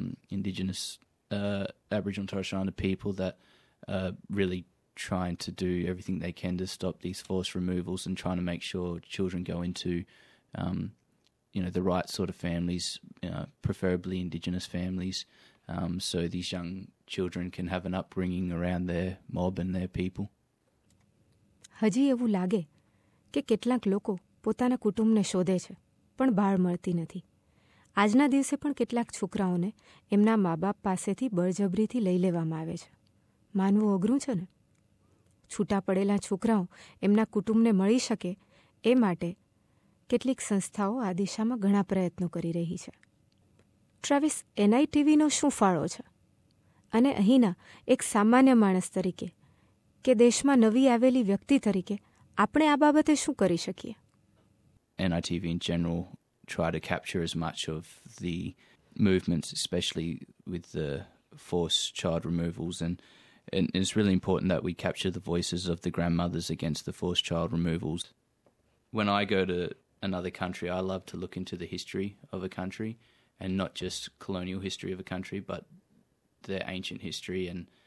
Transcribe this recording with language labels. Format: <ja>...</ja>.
<en>Indigenous Aboriginal and Torres Strait Islander people that are really trying to do everything they can to stop these forced removals and trying to make sure children go into the right sort of families, preferably Indigenous families, so these young children can have an upbringing around their mob and their people.</en> <gu>હજી એવું લાગે કે કેટલાક લોકો પોતાના કુટુંબને શોધે છે પણ બાળ મળતી નથી. આજના દિવસે પણ કેટલાક છોકરાઓને એમના મા બાપ પાસેથી બળજબરીથી લઈ લેવામાં આવે છે. માનવું અઘરું છે ને? છૂટા પડેલા છોકરાઓ એમના કુટુંબને મળી શકે એ માટે કેટલીક સંસ્થાઓ આ દિશામાં ઘણા પ્રયત્નો કરી રહી છે. ટ્રાવિસ, NITVનો શું ફાળો છે? અને અહીંના એક સામાન્ય માણસ તરીકે કે દેશમાં નવી આવેલી વ્યક્તિ તરીકે આપણે આ બાબતે શું કરી શકીએ?</gu> <en>NITV in general try to capture as much of the movements, especially with the forced child removals, and it's really important that we capture the voices of the grandmothers against the forced child removals. When I go to another country, I love to look into the history of a country, and not just colonial history of a country, but their ancient history and</en>